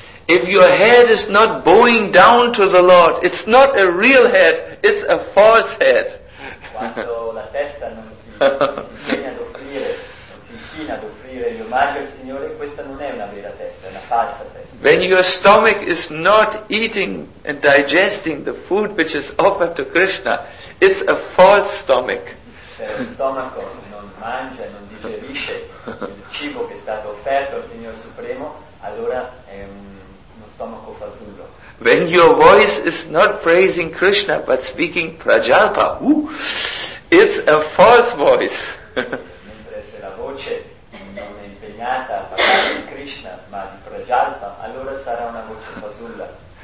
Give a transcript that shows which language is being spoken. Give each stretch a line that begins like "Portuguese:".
English: If your head is not bowing down to the Lord, it's not a real head, it's a false head.
Italian: Quando la testa non si inchina ad offrire gli omaggi al Signore, questa non è una vera testa, è una falsa testa.
English: When your stomach is not eating and digesting the food which is offered to Krishna, it's a false stomach.
Italian: Se lo stomaco non mangia, non digerisce il cibo che è stato offerto al Signore Supremo, allora è uno stomaco fasullo.
English: When your voice is not praising Krishna but speaking prajalpa, it's a false voice.
Italian: Non è impegnata a parlare di Krishna ma di Prajalpa, allora sarà una voce fasulla.